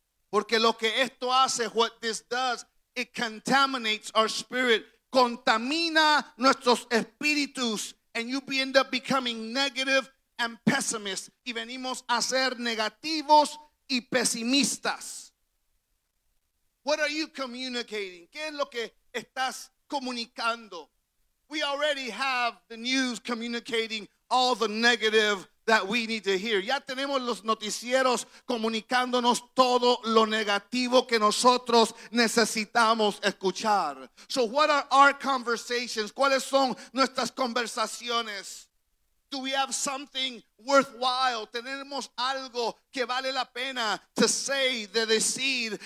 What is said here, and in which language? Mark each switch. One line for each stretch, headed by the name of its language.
Spanish: Porque lo que esto hace,
English: what this does, it contaminates our spirit,
Spanish: contamina nuestros espíritus,
English: and you end up becoming negative and pessimist,
Spanish: y venimos a ser negativos y pesimistas.
English: What are you communicating?
Spanish: ¿Qué es lo que estás comunicando?
English: We already have the news communicating all the negative that we need to hear.
Spanish: Ya tenemos los noticieros comunicándonos todo lo negativo que nosotros necesitamos escuchar.
English: So what are our conversations?
Spanish: ¿Cuáles son nuestras conversaciones?
English: Do we have something worthwhile?
Spanish: ¿Tenemos algo que vale la pena
English: to say,
Spanish: to decir?